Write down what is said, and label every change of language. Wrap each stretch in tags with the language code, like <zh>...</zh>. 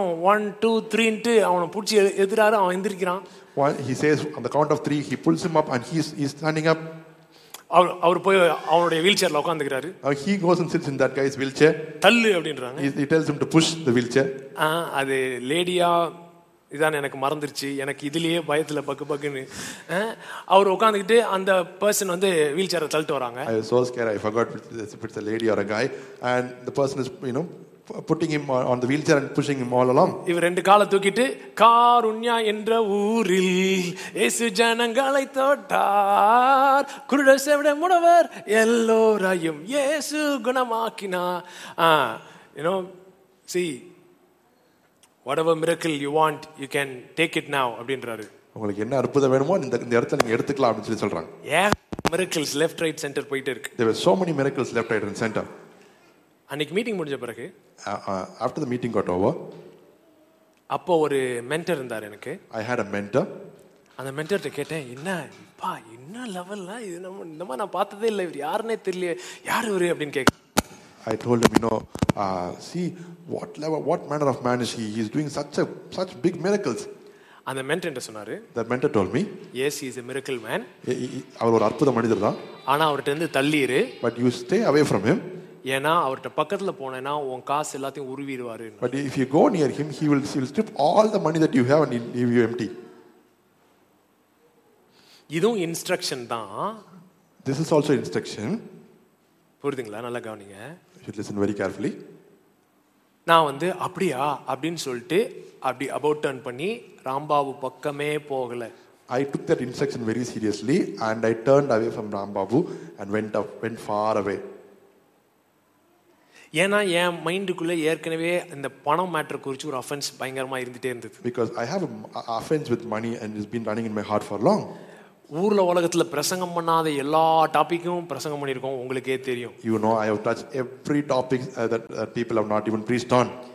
<ta>1, 2, 3 ன்ட்டு அவனை பிடிச்சி எதிராக அவன் எந்திரிக்கிறான்.</ta> <en>He says on the count of 3 he pulls him up and he is standing up.</en> <ta>அவர் போய் அவனுடைய வீல்சேர்ல உட்கார்ந்துக்கிறாரு.</ta> <en>He goes and sits in that guy's wheelchair.</en> <ta>தள்ளு அப்படின்றாங்க.</ta> <en>He tells him to push the wheelchair.</en> <ta>அது லேடியா இதான் எனக்கு மறந்துருச்சு, எனக்கு இதுலயே பயத்துல பக்கு பக்குன்னு அவர் உட்காந்துக்கிட்டு அந்த பர்சன் வந்து வீல்சேர தள்ளிட்டு வராங்க.</ta> <en>I was so scared, I forgot it's a lady or a guy and the person is, you know, putting him on the wheelchair and pushing him all along.</en> <ta>இவர் ரெண்டு காலை தூக்கிட்டு கருண்ய என்ற ஊரில் இயேசு ஜனங்களை தொட்டார், குருட செவிட முடவர் எல்லோரையும் இயேசு குணமாக்கினார்.</ta> <en>You know, see, whatever miracle you want, you can take it now</en> <ta>அப்படின்றாரு. உங்களுக்கு என்ன அற்புதம் வேணுமோ இந்த இடத்துல நீங்க எடுத்துக்கலாம் அப்படின்னு சொல்லி சொல்றாங்க.</ta> <en>Yeah, miracles left right center</en> <ta>போயிட்டு இருக்கு.</ta> <en>There were so many miracles left right and center.</en> <ta>அன்னைக்கு மீட்டிங் முடிஞ்ச பிறகு</ta> <en>after the meeting got over,</en> <ta>appo ஒரு mentor இருந்தார் எனக்கு.</ta> <en>I had a mentor.</en> <ta>அந்த mentor கிட்ட கேட்டேன், என்னப்பா என்ன லெவல்ல இது, நம்ம இந்த மாதிரி நான் பார்த்ததே இல்லை, இவர் யாருன்னே தெரியல, யார் இவர் அப்படின்னு கேட்க.</ta> <en>I told him, you know, see what level, what manner of man is he? He is doing such big miracles.</en> <ta>அந்த mentor சொன்னாரு.</ta> <en>The mentor told me, yes, he is a miracle man.</en> <ta>அவர் ஒரு அற்புத மனிதர் தான். ஆனா அவர்கிட்ட இருந்து தள்ளிரு.</ta> <en>But you stay away from him.</en> <ta>ஏனா அவர்ட்ட பக்கத்துல போனேனா உன் காசு எல்லாத்தையும் உருவிடுவாரு.</ta> <en>But if you go near him, he will strip all the money that you have and he'll leave you empty.</en> <ta>இதும் இன்ஸ்ட்ரக்ஷன் தான்.</ta> <en>This is also instruction.</en> <ta>புரியுதுங்களா? நல்லா கவனிங்க.</ta> <en>You should listen very carefully.</en> <ta>நான் வந்து அப்படியா அப்படின்னு சொல்லிட்டு அப்படி அபவுட் டர்ன் பண்ணி ராம்பாபு பக்கமே போகல.</ta> <en>I took that instruction very seriously and I turned away from Rambabu and went far away.</en> <ta>ஏனா என் மைண்டுக்குள்ள ஏற்கனவே இந்த பணம் மேட்டர் குறிச்சு ஒரு அஃபென்ஸ் பயங்கரமா இருந்துட்டே இருந்தது.</ta> <en>Because I have an offense with money and it's been running in my heart for long.</en> <ta>ஊர்ல உலகத்துல பிரசங்கம் பண்ணாத எல்லா டாபிக்கும் பிரசங்கம் பண்ணிருக்கோம், உங்களுக்கே தெரியும்.</ta> <en>You know, I have touched every topic that people have not even preached on.</en>